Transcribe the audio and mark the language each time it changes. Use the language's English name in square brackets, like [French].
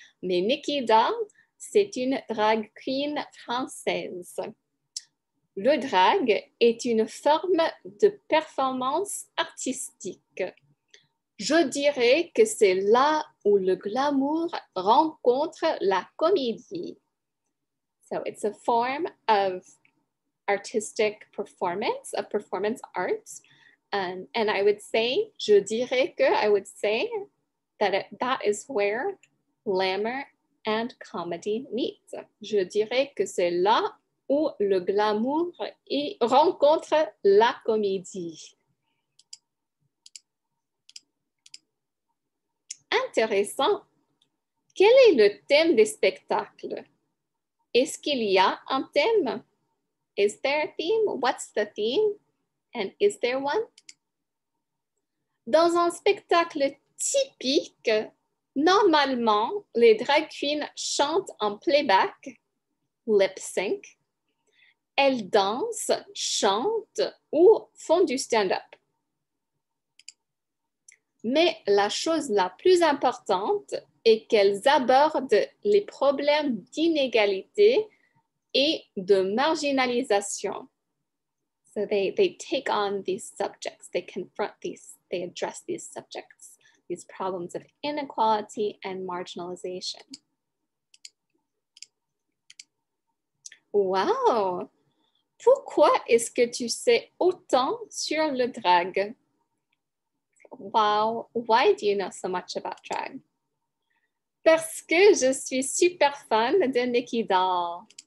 [French] Mais Nikki Dahl, c'est une drag queen française. Le drag est une forme de performance artistique. Je dirais que c'est là où le glamour rencontre la comédie. [English] So it's a form of artistic performance, a performance art. And I would say, [French] je dirais que, [English] I would say, that is where glamour and comedy meet. [French] Je dirais que c'est là où le glamour y rencontre la comédie. Intéressant. Quel est le thème des spectacles? Est-ce qu'il y a un thème? [English] Is there a theme? What's the theme? And is there one? [French] Dans un spectacle typique, Normalement, les drag queens chantent en playback, lip sync. Elles dansent, chantent ou font du stand-up. Mais la chose la plus importante est qu'elles abordent les problèmes d'inégalité et de marginalisation. [English] So they take on these subjects, they confront these, they address these subjects, these problems of inequality and marginalization. Wow! [French] Pourquoi est-ce que tu sais autant sur le drag? Wow! [English] Why do you know so much about drag? [French] Parce que je suis super fan de Nikki Doll.